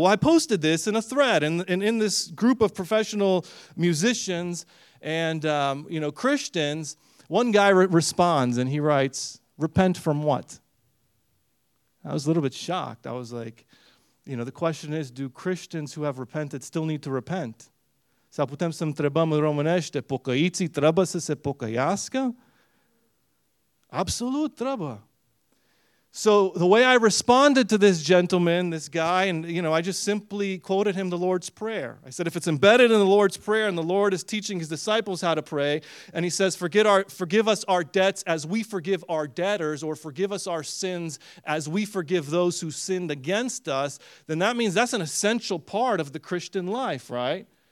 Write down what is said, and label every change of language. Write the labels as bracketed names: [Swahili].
[English] Well, I posted this in a thread, and in this group of professional musicians and Christians, one guy responds, and he writes, "Repent from what?" I was a little bit shocked. I was like, you know, the question is, do Christians who have repented still need to repent? [Romanian] Sau putem să întrebăm în românește, pocăiții trebuie să se pocăiască? Absolut trebuie. [English] So the way I responded to this gentleman, this guy, and you know, I just simply quoted him the Lord's Prayer. I said, if it's embedded in the Lord's Prayer and the Lord is teaching his disciples how to pray, and he says, forgive us our debts as we forgive our debtors, or forgive us our sins as we forgive those who sinned against us, then that means that's an essential part of the Christian life, right?